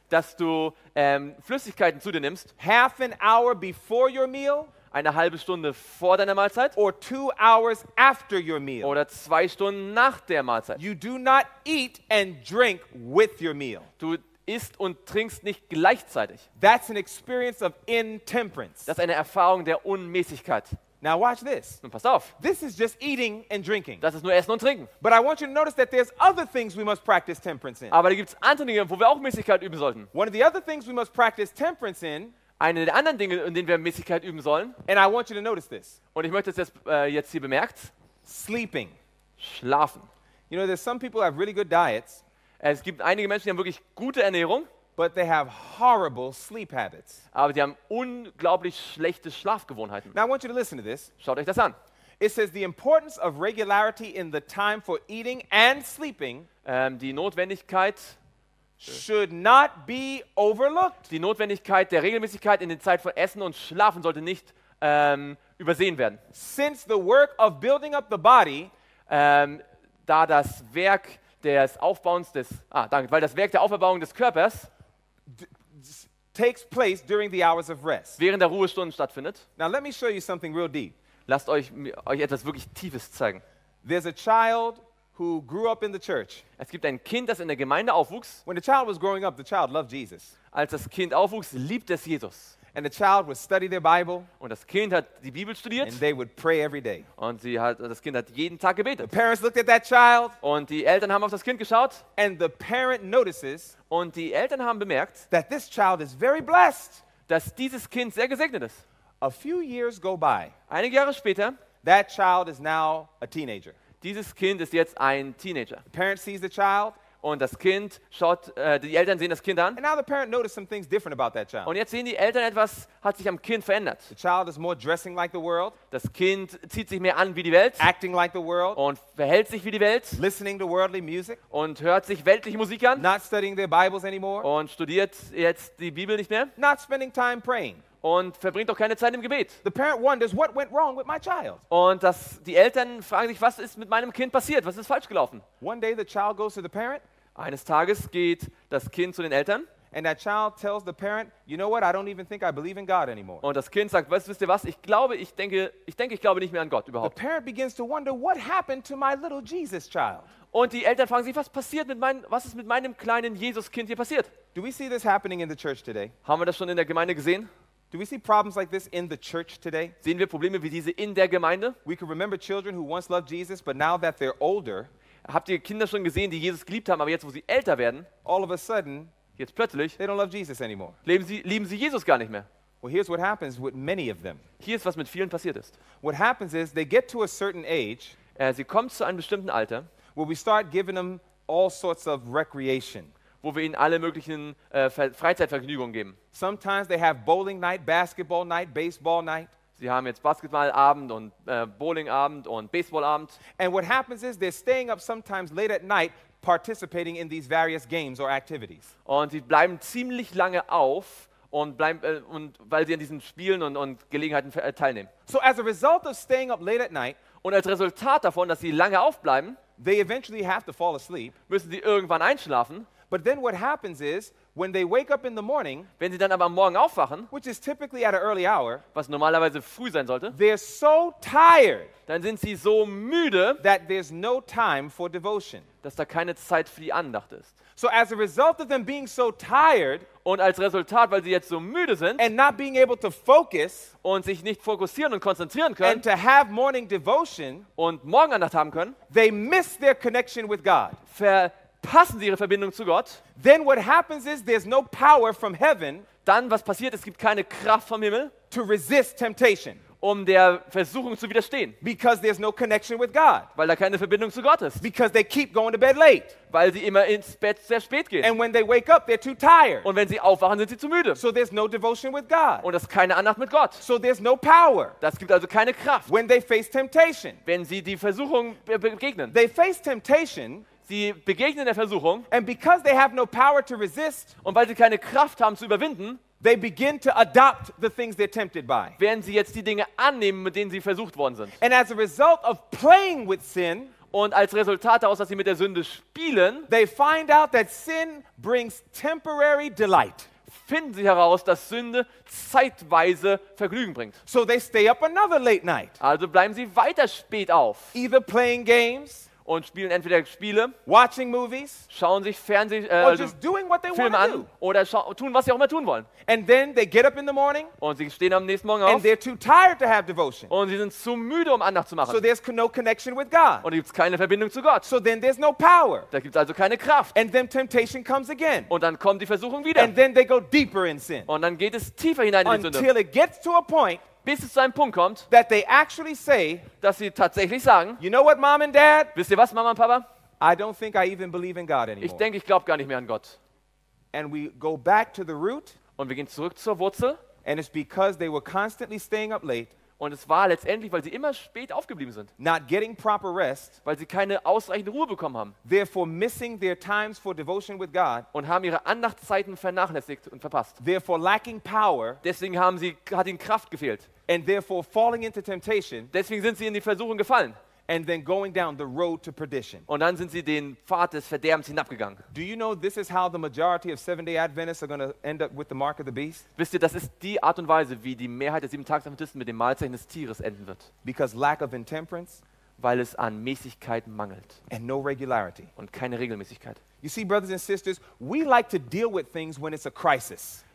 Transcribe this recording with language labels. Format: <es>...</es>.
<de>dass du Flüssigkeiten zu dir nimmst,</de> <en>half an hour before your meal,</en> <de>eine halbe Stunde vor deiner Mahlzeit,</de> <en>or 2 hours after your meal,</en> <de>oder 2 Stunden nach der Mahlzeit.</de> <en>You do not eat and drink with your meal.</en> <de>Du isst und trinkst nicht gleichzeitig.</de> <en>That's an experience of intemperance.</en> <de>Das ist eine Erfahrung der Unmäßigkeit.</de> <en>Now watch this.</en> <de>Nun pass auf.</de> <en>This is just eating and drinking.</en> <de>Das ist nur Essen und Trinken.</de> <en>But I want you to notice that there's other things we must practice temperance in.</en> <de>Aber da gibt's andere Dinge, wo wir auch Mäßigkeit üben sollten.</de> <en>One of the other things we must practice temperance in.</en> <de>Eine der anderen Dinge, in denen wir Mäßigkeit üben sollen.</de> <en>And I want you to notice this.</en> <de>Und ich möchte, dass ihr jetzt hier bemerkt.</de> <en>Sleeping.</en> <de>Schlafen.</de> <en>You know, there's some people who have really good diets.</en> <de>Es gibt einige Menschen, die haben wirklich gute Ernährung.</de> <en>But they have horrible sleep habits.</en> <de>Aber sie haben unglaublich schlechte Schlafgewohnheiten.</de> <en>Now I want you to listen to this.</en> <de>Schaut euch das an.</de> <en>It says the importance of regularity in the time for eating and sleeping.</en> <de>Die Notwendigkeit</de> <en>should not be overlooked.</en> <de>Die Notwendigkeit der Regelmäßigkeit in der Zeit von Essen und Schlafen sollte nicht übersehen werden.</de> <en>Since the work of building up the body,</en> <de>da das Werk des Aufbauens des weil das Werk der Auferbauung des Körpers</de> <en>takes place during the hours of rest.</en> <de>Während der Ruhestunden stattfindet.</de> <en>Now let me show you something real deep.</en> <de>Lasst euch etwas wirklich Tiefes zeigen.</de> <en>There's a child who grew up in the church.</en> <de>Es gibt ein Kind, das in der Gemeinde aufwuchs.</de> <en>When the child was growing up, the child loved Jesus.</en> <de>Als das Kind aufwuchs, liebte es Jesus.</de> <en>And the child would study their Bible.</en> <de>Und das Kind hat die Bibel studiert.</de> <en>And they would pray every day.</en> <de>Und das Kind hat jeden Tag gebetet.</de> <en>The parents looked at that child.</en> <de>Und die Eltern haben auf das Kind geschaut.</de> <en>And the parent notices.</en> <de>Und die Eltern haben bemerkt,</de> <en>that this child is very blessed.</en> <de>Dass dieses Kind sehr gesegnet ist.</de> <en>A few years go by.</en> <de>Einige Jahre später,</de> <en>that child is now a teenager.</en> <de>Dieses Kind ist jetzt ein Teenager.</de> <en>The parent sees the child.</en> <de>Und das Kind schaut, die Eltern sehen das Kind an.</de> <en>And now the parent noticed some things different about that child.</en> <de>Und jetzt sehen die Eltern etwas, hat sich am Kind verändert.</de> <en>The child is more dressing like the world.</en> <de>Das Kind zieht sich mehr an wie die Welt.</de> <en>Acting like the world.</en> <de>Und verhält sich wie die Welt.</de> <en>Listening to worldly music.</en> <de>Und hört sich weltliche Musik an.</de> <en>Not studying their Bibles anymore.</en> <de>Und studiert jetzt die Bibel nicht mehr.</de> <en>Not spending time praying.</en> <de>Und verbringt auch keine Zeit im Gebet.</de> <en>The parent wonders what went wrong with my child.</en> <de>Und die Eltern fragen sich, was ist mit meinem Kind passiert? Was ist falsch gelaufen?</de> <en>One day the child goes to the parent.</en> <de>Eines Tages geht das Kind zu den Eltern.</de> <en>And that child tells the parent, you know what? I don't even think I believe in God anymore.</en> <de>Und das Kind sagt, wisst ihr was? Ich glaube nicht mehr an Gott überhaupt.</de> <en>The parent begins to wonder what happened to my little Jesus child.</en> <de>Und die Eltern fragen sich, was ist mit meinem kleinen Jesuskind hier passiert?</de> <en>Do we see this happening in the church today?</en> <de>Haben wir das schon in der Gemeinde gesehen?</de> <en>Do we see problems like this in the church today?</en> <de>Sehen wir Probleme wie diese in der Gemeinde?</de> <en>We can remember children who once loved Jesus, but now that they're older.</en> <de>Habt ihr Kinder schon gesehen, die Jesus geliebt haben, aber jetzt, wo sie älter werden,</de> <en>all of a sudden,</en> <de>jetzt plötzlich,</de> <en>they don't love Jesus anymore.</en> <de>Lieben sie Jesus gar nicht mehr.</de> <en>Well, here's what happens with many of them.</en> <de>Hier ist, was mit vielen passiert ist.</de> <en>What happens is, they get to a certain age,</en> <de>sie kommen zu einem bestimmten Alter,</de> <en>where we start giving them all sorts of recreation.</en> <de>Wo wir ihnen alle möglichen Freizeitvergnügungen geben.</de> <en>Sometimes they have bowling night, basketball night, baseball night.</en> <de>Sie haben jetzt Basketballabend und Bowlingabend und Baseballabend.</de> <en>And what happens is they're staying up sometimes late at night participating in these various games or activities.</en> <de>Und sie bleiben ziemlich lange auf und weil sie an diesen Spielen und Gelegenheiten teilnehmen.</de> <en>So as a result of staying up late at night,</en> <de>und als Resultat davon, dass sie lange aufbleiben,</de> <en>they eventually have to fall asleep.</en> <de>Müssen sie irgendwann einschlafen.</de> <en>But then what happens is, when they wake up in the morning,</en> <de>wenn sie dann aber am Morgen aufwachen,</de> <en>which is typically at an early hour,</en> <de>was normalerweise früh sein sollte,</de> <en>they're so tired,</en> <de>dann sind sie so müde,</de> <en>that there's no time for devotion,</en> <de>dass da keine Zeit für die Andacht ist.</de> <en>So as a result of them being so tired,</en> <de>und als Resultat, weil sie jetzt so müde sind,</de> <en>and not being able to focus,</en> <de>und sich nicht fokussieren und konzentrieren können,</de> <en>and to have morning devotion,</en> <de>und Morgenandacht haben können,</de> <en>they miss their connection with God.</en> <de>Passen sie ihre Verbindung zu Gott?</de> <en>Then what happens is there's no power from heaven.</en> <de>Dann was passiert? Es gibt keine Kraft vom Himmel.</de> <en>To resist temptation.</en> <de>Um der Versuchung zu widerstehen.</de> <en>Because there's no connection with God.</en> <de>Weil da keine Verbindung zu Gott ist.</de> <en>Because they keep going to bed late.</en> <de>Weil sie immer ins Bett sehr spät gehen.</de> <en>And when they wake up, they're too tired.</en> <de>Und wenn sie aufwachen, sind sie zu müde.</de> <en>So there's no devotion with God.</en> <de>Und es keine Andacht mit Gott.</de> <en>So there's no power.</en> <de>Das gibt also keine Kraft.</de> <en>When they face temptation.</en> <de>Wenn sie die Versuchung begegnen.</de> <en>They face temptation.</en> <de>Sie begegnen der Versuchung,</de> <en>and because they have no power to resist,</en> <de>und weil sie keine Kraft haben zu überwinden,</de> <en>they begin to adopt the things they're tempted by.</en> <de>Werden sie jetzt die Dinge annehmen, mit denen sie versucht worden sind.</de> <en>And as a result of playing with sin,</en> <de>und als Resultat daraus, dass sie mit der Sünde spielen,</de> <en>they find out that sin brings temporary delight.</en> <de>Finden sie heraus, dass Sünde zeitweise Vergnügen bringt.</de> <en>So they stay up another late night.</en> <de>Also bleiben sie weiter spät auf.</de> <en>Either playing games.</en> <de>und spielen entweder Spiele,</de> <en>watching movies,</en> <de>schauen sich Filme an oder tun, was sie auch immer tun wollen.</de> <en>And then they get up in the morning,</en> <de>und sie stehen am nächsten Morgen auf</de> <en>and they're too tired to have devotion.</en> <de>Und sie sind zu müde, um Andacht zu machen.</de> <en>So there's no connection with God.</en> <de>Und gibt es keine Verbindung zu Gott.</de> <en>So then there's no power.</en> <de>Da gibt es also keine Kraft.</de> <en>And then temptation comes again.</en> <de>Und dann kommt die Versuchung wieder.</de> <en>And then they go deeper in sin.</en> <de>Und dann geht es tiefer hinein in die Sünde.</de> <en>Until it gets to a point,</en> <de>bis es zu einem Punkt kommt,</de> <en>that they actually say,</en> <de>dass sie tatsächlich sagen,</de> <en>you know what, Mom and Dad?</en> <de>Wisst ihr was, Mama und Papa?</de> <en>I don't think I even believe in God anymore.</en> <de>Ich denke, ich glaube gar nicht mehr an Gott.</de> <en>And we go back to the root,</en> <de>und wir gehen zurück zur Wurzel.</de> <en>And it's because they were constantly staying up late,</en> <de>und es war letztendlich, weil sie immer spät aufgeblieben sind.</de> <en>Not getting proper rest,</en> <de>weil sie keine ausreichende Ruhe bekommen haben.</de> <en>Therefore missing their times for devotion with God,</en> <de>und haben ihre Andachtszeiten vernachlässigt und verpasst.</de> <en>Therefore lacking power,</en> <de>deswegen haben sie, hat ihnen Kraft gefehlt.</de> <en>And therefore falling into temptation,</en> <de>deswegen sind sie in die Versuchung gefallen.</de> <en>And then going down the road to perdition.</en> <de>Und dann sind sie den Pfad des Verderbens hinabgegangen.</de> <en>Do you know this is how the majority of Seventh-day Adventists are going to end up with the mark of the beast?</en> <de>Wisst ihr, das ist die Art und Weise, wie die Mehrheit der Siebentagsadventisten mit dem Malzeichen des Tieres enden wird.</de> <en>Because lack of intemperance,</en> <de>weil es an Mäßigkeit mangelt.</de> <en>And no regularity,</en> <de>und keine Regelmäßigkeit.</de> <en>You see, brothers and sisters, we like to deal with things when it's a crisis.</en>